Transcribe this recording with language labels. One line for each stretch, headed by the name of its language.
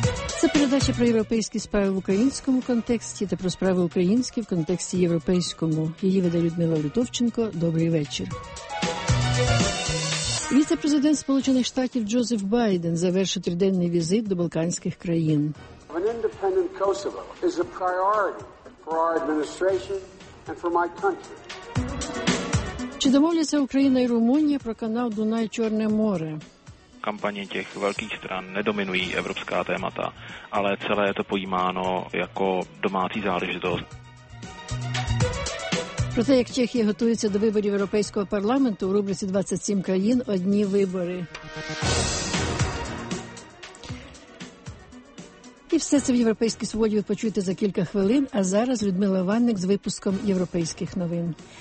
Ukrainian: Це передача про європейські справи в українському контексті та про справи українські в контексті європейському. Її веде Людмила Лютовченко. Добрий вечір. Віце-президент Сполучених Штатів Джозеф Байден завершив триденний візит до балканських країн.
English: An independent Kosovo is a priority for our administration and for my country.
Ukrainian: Чи домовляться Україна і Румунія про канал Дунай-Чорне море?
Czech: Kampaně těch velkých stran nedominují evropská témata, ale celé je to pojímáno jako domácí záležitost.
Ukrainian: Про те, як Чехія готується до виборів Європейського парламенту у рубриці «27 країн. Одні вибори». І все це в Європейській свободі ви почуєте за кілька хвилин, а зараз Людмила Ванник з випуском європейських новин.